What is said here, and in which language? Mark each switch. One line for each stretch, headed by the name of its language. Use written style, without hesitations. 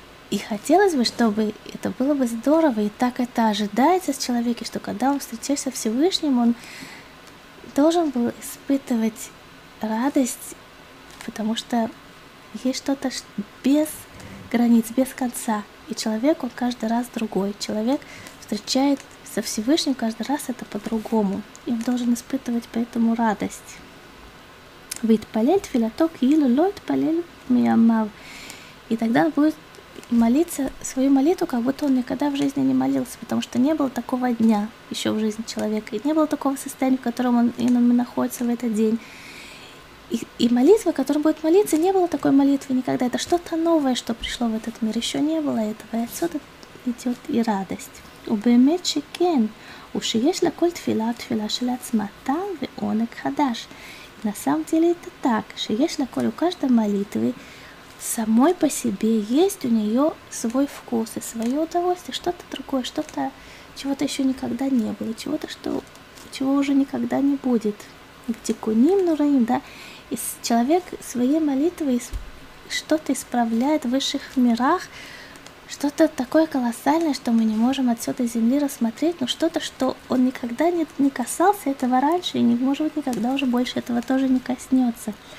Russian: И хотелось бы, чтобы это было бы здорово, и так это ожидается с человеке, что когда он встречается с Всевышним, он должен был испытывать радость, потому что есть что-то без границ, без конца. И человек, он каждый раз другой. Человек встречает со Всевышним каждый раз это по-другому. И он должен испытывать поэтому радость.
Hebrew: והתפלל תפילתו כאילו לא התפלל מימיו.
Russian: И тогда будет молиться свою молитву, как будто он никогда в жизни не молился, потому что не было такого дня еще в жизни человека, и не было такого состояния, в котором он находится в этот день. И молитва, которой будет молиться, не было такой молитвы никогда. Это что-то новое, что пришло в этот мир. Еще не было этого, и отсюда идет и радость.
Hebrew: ובאמת שכן, ושיש לכל תפילה תפילה של עצמה טעם ועונג חדש.
Russian: На самом деле это так,
Hebrew: שיש לכל,
Russian: у каждой молитвы самой по себе есть у нее свой вкус и свое удовольствие, что-то другое, что-то, чего-то еще никогда не было, чего-то, что, чего уже никогда не будет. Тикуним нураим, да, и человек своей молитвой что-то исправляет в высших мирах, что-то такое колоссальное, что мы не можем отсюда земли рассмотреть, но что-то, что он никогда не касался этого раньше, и не может быть никогда уже больше этого тоже не коснется.